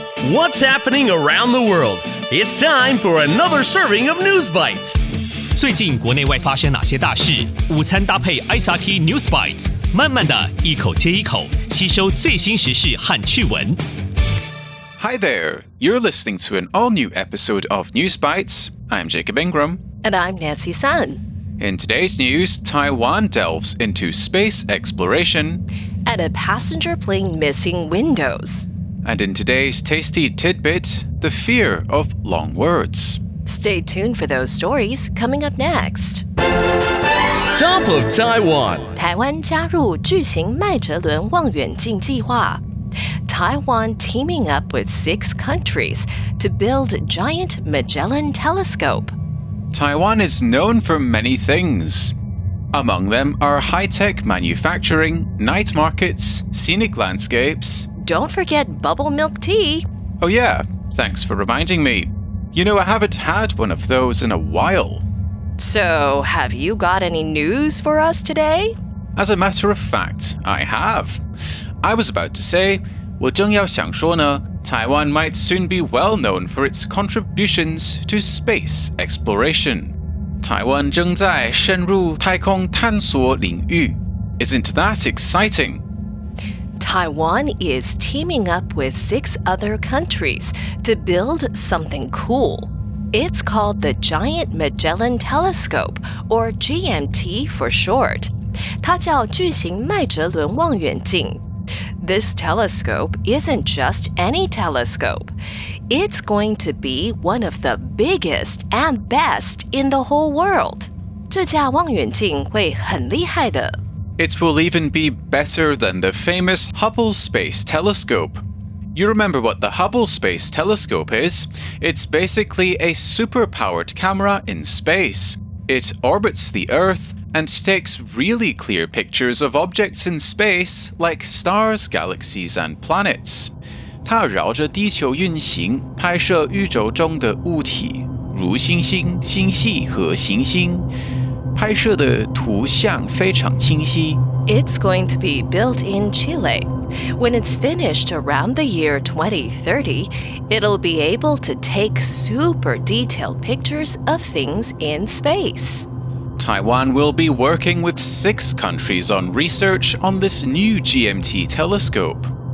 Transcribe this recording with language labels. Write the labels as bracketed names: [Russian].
[English] What's happening around the world? It's time for another serving of News Bites. [Chinese] 最近国内外发生哪些大事？午餐搭配 SRT News Bites， 慢慢的一口接一口，吸收最新时事和趣闻。 [English] Hi there, you're listening to an all-new episode of News Bites. I'm Jacob Ingram. And I'm Nancy Sun. In today's news, Taiwan delves into space exploration. And a passenger plane missing windows. And in today's tasty tidbit, the fear of long words. Stay tuned for those stories coming up next. Top of Taiwan. [Chinese] 台湾加入巨型麦哲伦望远镜计划。 [English] Taiwan teaming up with 6 countries to build giant Magellan Telescope. Taiwan is known for many things. Among them are high-tech manufacturing, night markets, scenic landscapes. Don't forget bubble milk tea. Oh yeah, thanks for reminding me. You know, I haven't had one of those in a while. So, have you got any news for us today? As a matter of fact, I have. I was about to say... [Chinese] 我正要想说呢 [English] Taiwan might soon be well known for its contributions to space exploration. [Chinese] 台湾正在深入太空探索领域。 [English] Isn't that exciting? Taiwan is teaming up with 6 other countries to build something cool. It's called the Giant Magellan Telescope, or GMT for short. [Chinese] 它叫巨型麦哲伦望远镜。 [English] This telescope isn't just any telescope. It's going to be one of the biggest and best in the whole world. [Chinese] 这架望远镜会很厉害的。 [English] It will even be better than the famous Hubble Space Telescope. You remember what the Hubble Space Telescope is? It's basically a super-powered camera in space. It orbits the Earth,and takes really clear pictures of objects in space, like stars, galaxies, and planets. [Chinese] 它绕着地球运行，拍摄宇宙中的物体，如星星、星系和行星。拍摄的图像非常清晰。 [English] It's going to be built in Chile. When it's finished around the year 2030, it'll be able to take super detailed pictures of things in space. Taiwan will be working with 6 countries on research on this new GMT telescope.